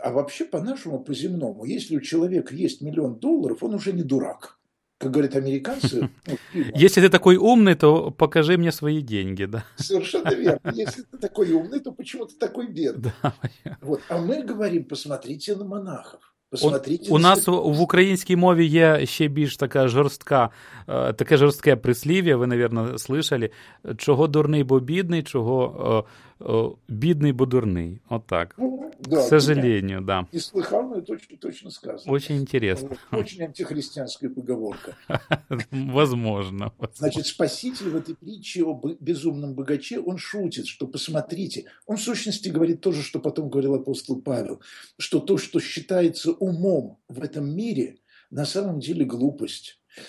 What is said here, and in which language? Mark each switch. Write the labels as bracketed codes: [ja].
[ru] А вообще, по-нашему, по-земному, если у человека есть миллион долларов, он уже не дурак. Как говорят американцы... Если ты такой умный, то покажи мне свои деньги, да? Совершенно верно. Если ты такой умный, то почему ты такой бедный? А мы говорим, посмотрите на монахов. [uk] У нас в українській мові є ще більш така жорстка, таке жорстке прислів'я, ви, мабуть, [ru] слышали. [uk] Чого дурний, бо бідний, чого бідний, бо дурний. Отак. [ru] Да, к сожалению, да. Не слыхал, но точно сказано. Очень интересно. Очень антихристианская поговорка. Возможно. Значит, спаситель в этой притче о безумном богаче, он шутит, что посмотрите, он в сущности говорит то же, что потом говорил апостол Павел, что то, что считается умом в этом мире, на самом деле глупость.